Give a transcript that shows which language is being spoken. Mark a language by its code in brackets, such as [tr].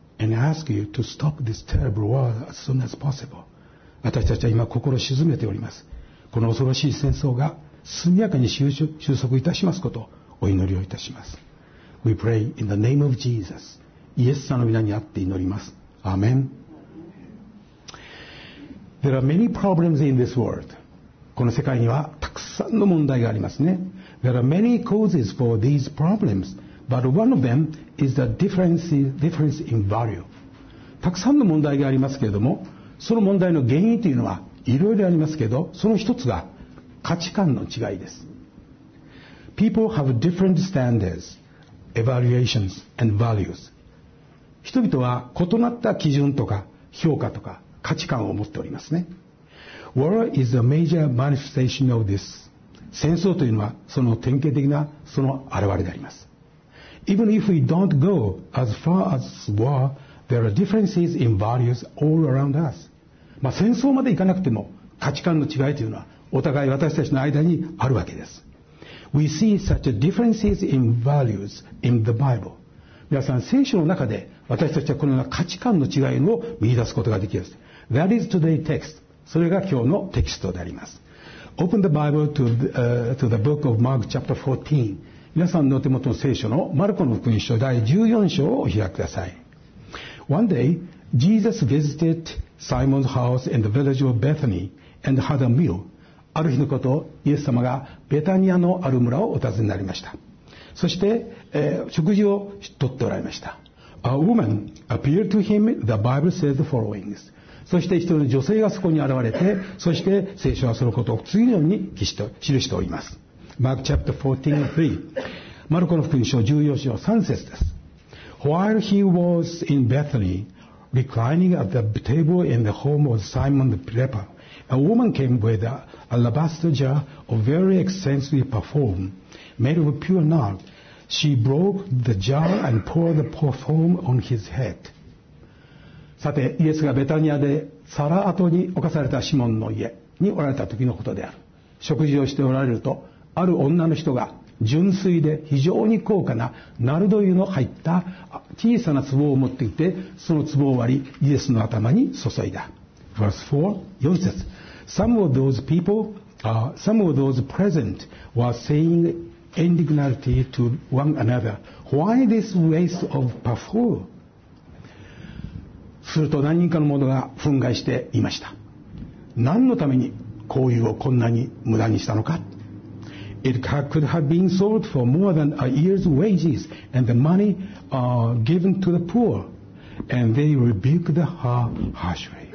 [en] And ask you to stop this terrible war as soon as possible. [ja] 私たちは今心を静めております。この恐ろしい戦争が速やかに収束いたしますことをお祈りをいたします。 [en] We pray in the name of Jesus. [ja] イエス様の皆にあって祈ります。アーメン。 [en] There are many problems in this world. [ja] この世界にはたくさんの問題がありますね。 [en] There are many causes for these problems. But one of them is the difference in value. [ja] たくさんの問題がありますけれども、その問題の原因というのはいろいろありますけど、その一つが価値観の違いです。 [en] People have different standards, evaluations, and values. [ja] 人々は異なった基準とか評価とか価値観を持っておりますね。 [en] War is a major manifestation of this. [ja] 戦争というのはその典型的なその現れであります。 [en] Even if we don't go as far as war, there are differences in values all around us. [ja] まあ戦争まで行かなくても価値観の違いというのはお互い私たちの間にあるわけです。 [en] We see such differences in values in the Bible. [ja] 皆さん、聖書の中で私たちはこのような価値観の違いを見出すことができます。 [en] That is today's text. [ja] それが今日のテキストであります。 [en] Open the Bible to the book of Mark chapter 14. [ja] 皆さんのお手元の聖書のマルコの福音書第14章をお開きください。 [en] One day, Jesus visited Simon's house in the village of Bethany and had a meal. [ja] ある日のこと、イエス様がベタニアのある村をお訪ねになりました。そして、食事をとっておられました。 [en] A woman appeared to him, the Bible says the following. [ja] そして一人の女性がそこに現れて、そして聖書はそのことを次のように記しております。 [en] Mark chapter 14:3 [ja] マルコの福音書14章3節です。 [en] While he was in Bethany, reclining at the table in the home of Simon the leper, a woman came with an alabaster jar of very expensive perfume, made of pure nard. She broke the jar and poured the perfume on his head. [ja] さて、イエスがベタニアでサラ跡に侵されたシモンの家におられた時のことである。食事をしておられると、ある女の人が純粋で非常に高価なナルド油の入った小さな壺を持っていて、その壺を割り、イエスの頭に注いだ。 [en] Verse 4, 4節。 Some of those present were saying indignantly to one another, Why this waste of perfume? [ja] すると何人かの者が憤慨していました。何のために香油をこんなに無駄にしたのか。 [en] It could have been sold for more than a year's wages and the money given to the poor and they rebuked her harshly.